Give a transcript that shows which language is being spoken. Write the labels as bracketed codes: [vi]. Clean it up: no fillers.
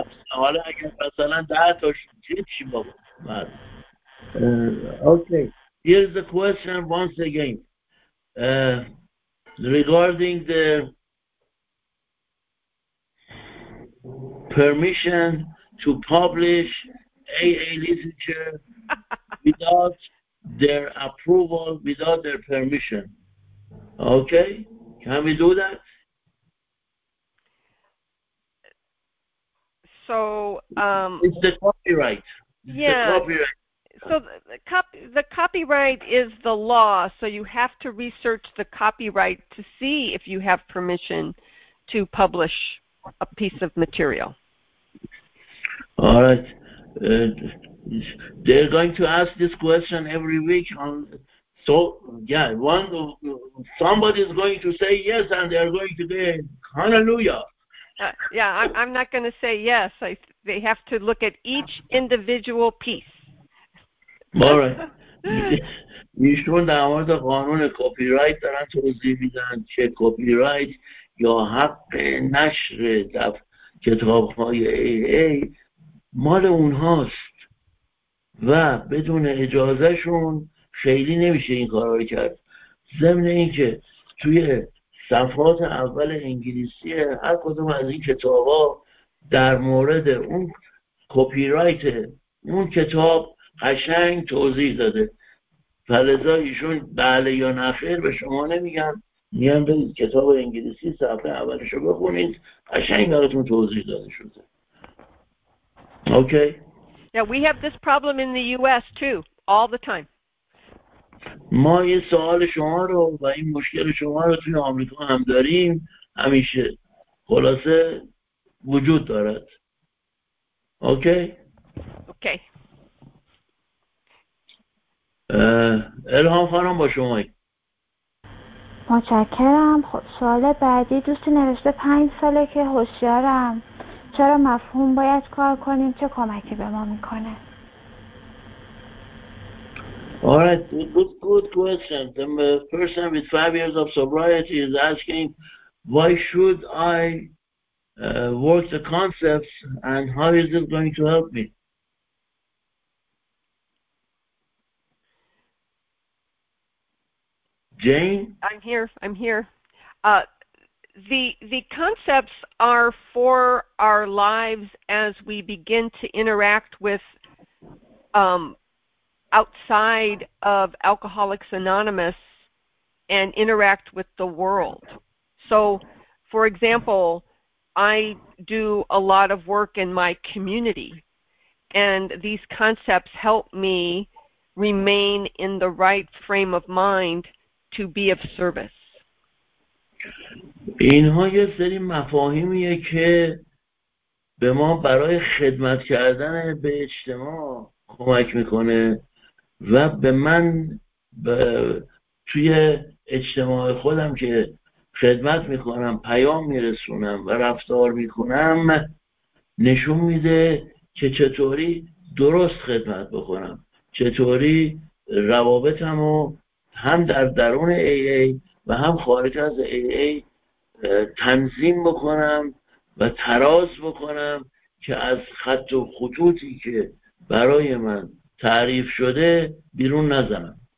[fa] حالا اگر مثلا 10 تا شدید چی بابا؟ اوکی. [en] Here's the question once again. Regarding the permission to publish AA literature without their approval, without their permission. Okay, can we do that? So, it's the copyright. Yeah. The copyright. So the copyright is the law, so you have to research the copyright to see if you have permission to publish a piece of material. All right. They're going to ask this question every week. Somebody is going to say yes, and they're going to say hallelujah. I'm not going to say yes. They have to look at each individual piece. All right. [fa] ایشون در مورد قانون کپی رایت دارن توضیح میدن که کپی رایت یا حق نشر کتاب‌های AA مال اونهاست و بدون اجازهشون خیلی نمیشه این کارا رو کرد. ضمن اینکه توی صفحات اول انگلیسی هر کدوم از این کتاب‌ها در مورد اون کپی رایت اون کتاب قشنگ توضیح داده. فلذا ایشون بله یا نه خیر به شما نمیگن، میان برید کتاب انگلیسی صفحه اولش رو بخونید، قشنگ براتون توضیح داده شده. اوکی. [en] Yeah, we have this problem in the US too, all the time. [fa] ما این سوال شما رو و این مشکل شما رو توی آمریکا هم داریم، همیشه خلاصه وجود دارد. اوکی. اوکی. الهام خانم با شما. متشکرم. سوال بعدی، دوستی نوشته 5 ساله که هوشیارم، چرا مفهوم باید کار کنیم؟ چه کمکی به ما میکنه؟ [en] Alright, good question. The person with 5 years of sobriety is asking why should I work the concepts and how is it going to help me? Jane? I'm here. The concepts are for our lives as we begin to interact with outside of Alcoholics Anonymous and interact with the world. So, for example, I do a lot of work in my community, and these concepts help me remain in the right frame of mind to be of service. [fa] اینها یه سری مفاهیمیه که به ما برای خدمت کردن به اجتماع کمک میکنه و به من توی اجتماع خودم که خدمت میکنم، پیام میرسونم و رفتار میکنم، نشون میده که چطوری درست خدمت بکنم، چطوری روابطم رو هم در درون AA و هم خارج از AA تنظیم بکنم و تراز بکنم که از خط و خطوطی که برای من تعریف شده بیرون نزنم.